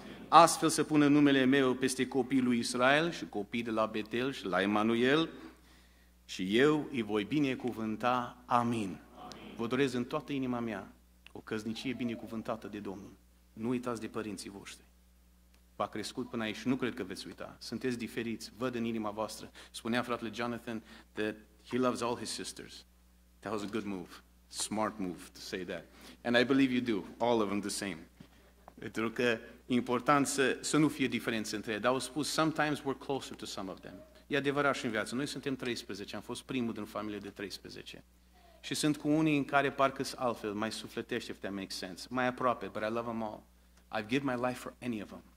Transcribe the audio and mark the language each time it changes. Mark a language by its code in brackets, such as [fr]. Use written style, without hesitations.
[ro] Astfel să pună numele meu peste copiii lui Israel și copiii de la Betel și la Emanuel și eu îi voi binecuvânta. Amin. Vă doresc în toată inima mea o căsnicie binecuvântată de Domnul. Nu uitați de părinții voștri. V-a crescut până aici și nu cred că veți uita. Sunteți diferiți, văd în inima voastră. Spunea fratele Jonathan [en] that he loves all his sisters. That was a good move, smart move to say that. And I believe you do, all of them the same. [ro] Pentru că important să nu fie diferență între ei. Dar au spus, [en] sometimes we're closer to some of them. [ro] E adevărat și în viață. Noi suntem 13, am fost primul din familie de 13. Și sunt cu unii în care parcă sunt altfel, mai sufletește, [en] if that makes sense. [ro] Mai aproape, [en] but I love them all. I've given my life for any of them.